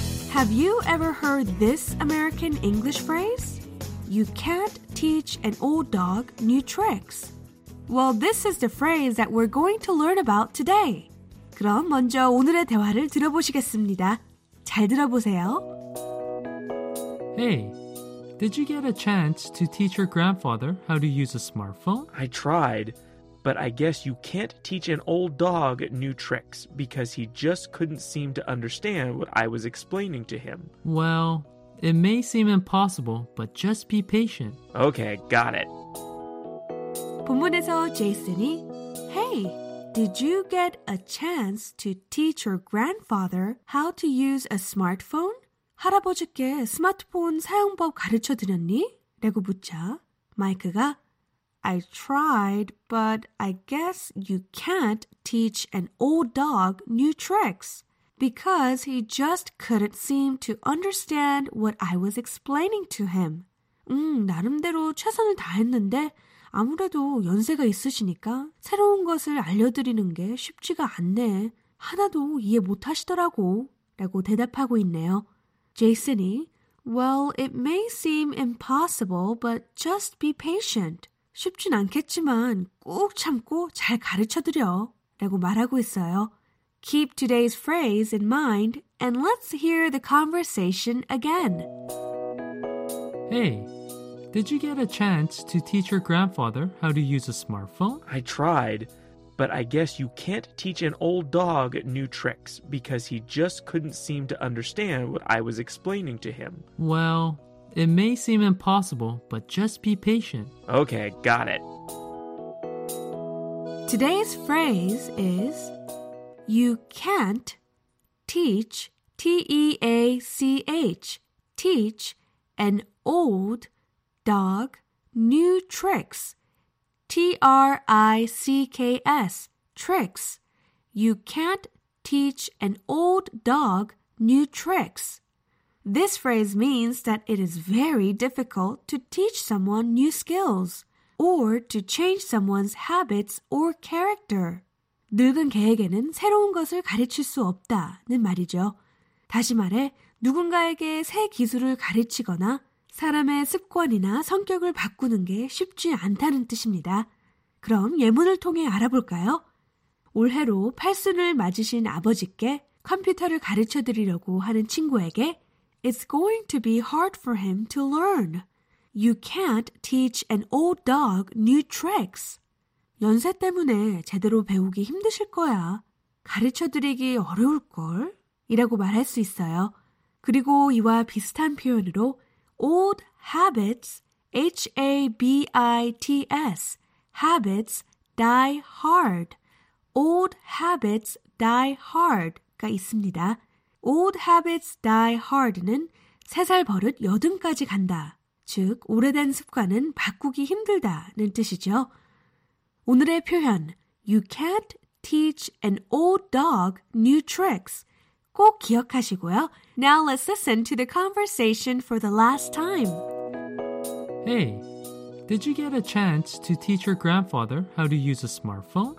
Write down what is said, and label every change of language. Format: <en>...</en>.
<en>Have you ever heard this American English phrase? You can't teach an old dog new tricks. Well, this is the phrase that we're going to learn about today.</en> <ko>그럼 먼저 오늘의 대화를 들어보시겠습니다. 잘 들어보세요.</ko> <en>Hey, did you get a chance to teach your grandfather how to use a smartphone? I tried, but I guess you can't teach an old dog new tricks because he just couldn't seem to understand what I was explaining to him. Well, it may seem impossible, but just be patient. Okay, got it.</en> <ko>본문에서 제이슨이</ko> <en>Hey, did you get a chance to teach your grandfather how to use a smartphone?</en> <ko>할아버지께 스마트폰 사용법 가르쳐 드렸니? 라고 묻자 마이크가</ko> <en>I tried, but I guess you can't teach an old dog new tricks because he just couldn't seem to understand what I was explaining to him.</en> <ko>나름대로 최선을 다했는데 아무래도 연세가 있으시니까 새로운 것을 알려드리는 게 쉽지가 않네. 하나도 이해 못 하시더라고. 라고 대답하고 있네요.</ko> <en>제이슨이 Well, it may seem impossible, but just be patient.</en> <ko>쉽진 않겠지만 꼭 참고 잘 가르쳐드려. 라고 말하고 있어요.</ko> <en>Keep today's phrase in mind and let's hear the conversation again. Hey, did you get a chance to teach your grandfather how to use a smartphone? I tried, but I guess you can't teach an old dog new tricks because he just couldn't seem to understand what I was explaining to him. Well, it may seem impossible, but just be patient. Okay, got it. Today's phrase is You can't teach, T-E-A-C-H, teach an old dog new tricks, T-R-I-C-K-S, tricks. You can't teach an old dog new tricks. This phrase means that it is very difficult to teach someone new skills or to change someone's habits or character.</en> <ko>늙은 개에게는 새로운 것을 가르칠 수 없다는 말이죠. 다시 말해, 누군가에게 새 기술을 가르치거나 사람의 습관이나 성격을 바꾸는 게 쉽지 않다는 뜻입니다. 그럼 예문을 통해 알아볼까요? 올해로 팔순을 맞으신 아버지께 컴퓨터를 가르쳐드리려고 하는 친구에게</ko> <en>It's going to be hard for him to learn. You can't teach an old dog new tricks.</en> <ko>연세 때문에 제대로 배우기 힘드실 거야. 가르쳐드리기 어려울걸? 이라고 말할 수 있어요. 그리고 이와 비슷한 표현으로</ko> <en>Old habits, H-A-B-I-T-S, habits die hard. Old habits die hard가</en> <ko>있습니다.</ko> <en>Old habits die hard</en> <ko>는 3살 버릇 80까지 간다. 즉, 오래된 습관은 바꾸기 힘들다는 뜻이죠. 오늘의 표현,</ko> <en>You can't teach an old dog new tricks.</en> <ko>꼭 기억하시고요.</ko> <en>Now let's listen to the conversation for the last time. Hey, did you get a chance to teach your grandfather how to use a smartphone?</en>